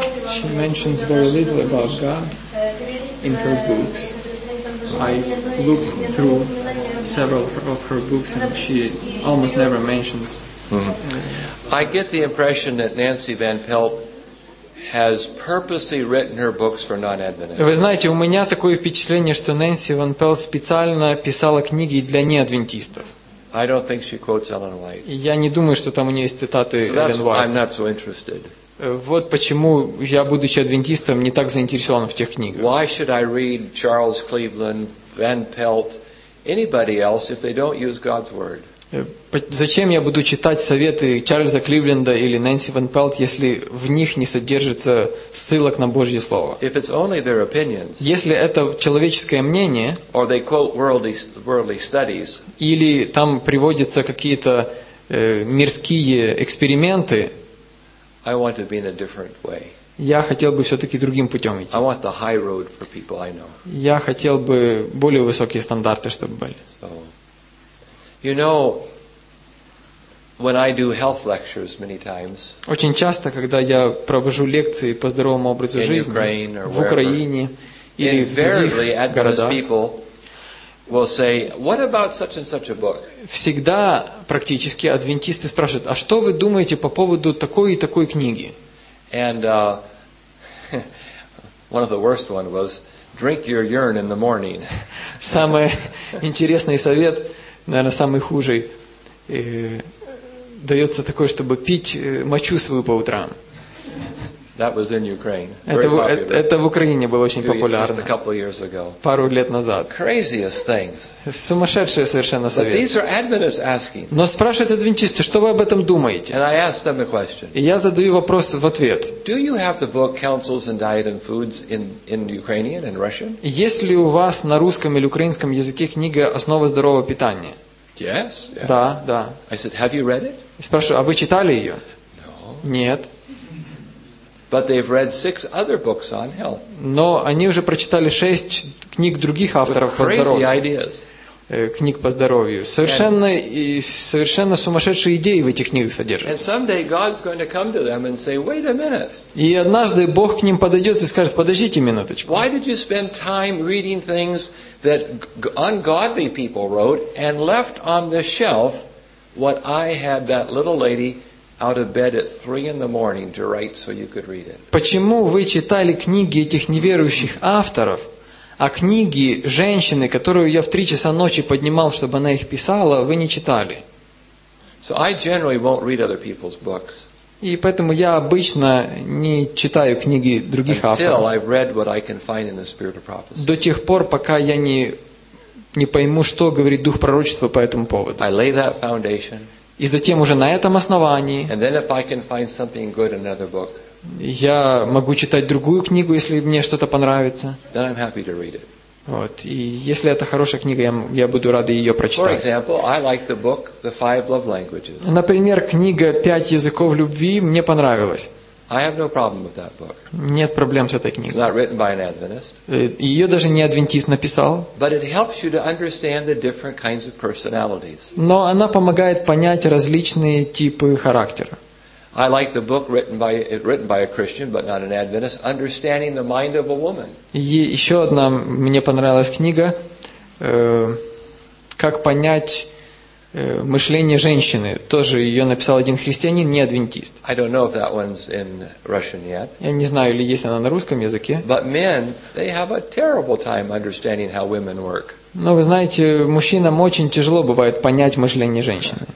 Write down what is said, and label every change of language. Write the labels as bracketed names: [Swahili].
[English] She mentions very little about God in her books. I look through several of her books and she almost never mentions. Mm-hmm. I get the impression that Nancy Van Pelt has purposely written her books for non-Adventists. [Russian] Вы знаете, у меня такое впечатление, что Нэнси Ван Пелт специально писала книги для неадвентистов. [English] I don't think she quotes Ellen White. [Russian] Я не думаю, что там у нее есть цитаты Эллен Уайт. [English] I'm not so interested. [Russian] Вот почему я, будучи адвентистом, не так заинтересован в тех книгах. [English] Why should I read Charles Cleveland, Van Pelt, anybody else if they don't use God's word? [Russian] Зачем я буду читать советы Чарльза Кливленда или Нэнси Ван Пелт, если в них не содержится ссылок на Божье слово? [English] If it's only their opinions. [Russian] Если это человеческое мнение, [English] or they quote worldly studies. [Russian] Или там приводятся какие-то мирские эксперименты. [English] I want to be in a different way. [Russian] Я хотел бы все-таки другим путем идти. [English] I want the high road for people I know. [Russian] Я хотел бы более высокие стандарты, чтобы были. [English] So, you know, When I do health lectures many times, [Russian] очень часто, когда я провожу лекции по здоровому образу жизни в Украине или в других городах, всегда практически адвентисты спрашивают, а что вы думаете по поводу такой и такой книги? [English] One of the worst ones was, drink your urine in the morning. [Russian] Самый интересный совет, наверное, самый худший, дается такое, чтобы пить мочу свою по утрам. [English] That was in Ukraine. [Russian] Это в Украине было очень популярно. [English] Just a couple years ago. [Russian] Пару лет назад. [English] Craziest things. [Russian] Сумасшедшие совершенно советы. [English] But these are Adventists asking. [Russian] Но спрашивают адвентисты, что вы об этом думаете? [English] And I ask them a question. [Russian] И я задаю вопрос в ответ. [English] Do you have the book Councils and Diet and Foods in Ukrainian and Russian? [Russian] Есть ли у вас на русском или украинском языке книга «Основы здорового питания»? [English] Yes. [Russian] Да, да. [English] I said, have you read it? [Russian] Спрашиваю, а вы читали ее? [English] No. [Russian] Нет. [English] But they've read six other books on health. [Russian] Но они уже прочитали шесть книг других авторов по здоровью. [English] Crazy ideas. [Russian] Книг по здоровью. Совершенно сумасшедшие идеи в этих книгах содержатся. [English] And someday God's going to come to them and say, "Wait a minute." [Russian] И однажды Бог к ним подойдет и скажет: "Подождите минуточку." [English] Why did you spend time reading things that ungodly people wrote and left on the shelf what I had that little lady? Out of bed at 3 in the morning to write so you could read it. [Russian] Почему вы читали книги этих неверующих авторов, а книги женщины, которую я в 3 часа ночи поднимал, чтобы она их писала, вы не читали? [English] So I generally won't read other people's books. [Russian] И поэтому я обычно не читаю книги других авторов. [English] Until I've read what I can find in the spirit of prophecy. [Russian] До тех пор, пока я не пойму, что говорит дух пророчества по этому поводу. [English] I lay that foundation. [Russian] И затем уже на этом основании [English] book, [Russian] я могу читать другую книгу, если мне что-то понравится. Вот. И если это хорошая книга, я буду рад ее прочитать. [English] Example, like the book, the [Russian] Например, книга «Пять языков любви» мне понравилась. [English] No [Russian] Нет проблем с этой книгой. Ее даже не адвентист написал. [English] But it helps you to understand the different kinds of personalities. [Russian] Но она помогает понять различные типы характера. [English] I like the book written by a Christian, but not an Adventist, Understanding the Mind of a Woman. [Russian] Еще одна мне понравилась книга, как понять мышление женщины. Тоже ее написал один христианин, не адвентист. [English] I don't know if that one's in Russian yet. [Russian] Я не знаю, или есть она на русском языке. [English] But men, they have a terrible time understanding how women work. [Russian] Но вы знаете, мужчинам очень тяжело бывает понять мышление женщины.